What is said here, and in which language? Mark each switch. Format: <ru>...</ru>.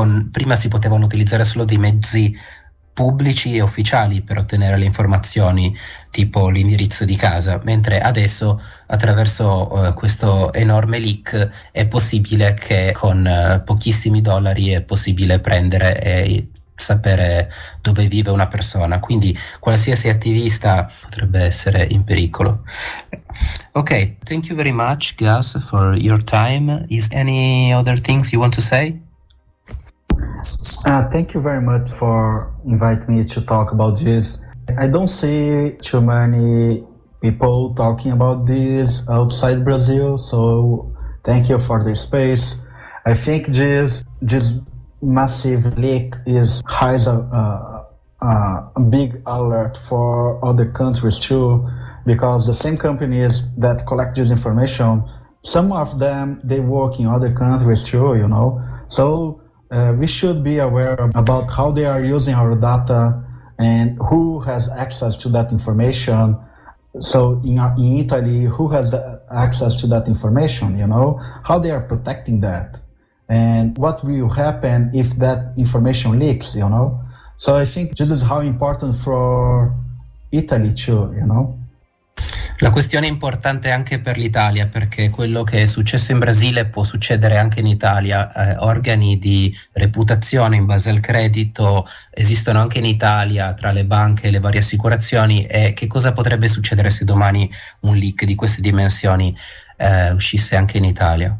<it>prima si potevano utilizzare solo dei mezzi pubblici e ufficiali per ottenere le informazioni tipo l'indirizzo di casa, mentre adesso attraverso questo enorme leak è possibile che con pochissimi dollari è possibile prendere e sapere dove vive una persona, quindi qualsiasi attivista potrebbe essere in pericolo.</it> <en>Ok, thank you very much Gus for your time. Is any other things you want to say? Thank you very much for inviting me to talk about this. I don't see too many people talking about this outside Brazil, so thank you for the space. I think this massive leak raises a big alert for other countries too, because the same companies that collect this information, some of them, they work in other countries too, you know. So we should be aware about how they are using our data and who has access to that information. So in Italy, who has the access to that information, you know, how they are protecting that and what will happen if that information leaks, you know. So I think this is how important for Italy too, you know.</en> <it>La questione è importante anche per l'Italia, perché quello che è successo in Brasile può succedere anche in Italia. Organi di reputazione in base al credito esistono anche in Italia tra le banche e le varie assicurazioni. E che cosa potrebbe succedere se domani un leak di queste dimensioni uscisse anche in Italia?</it>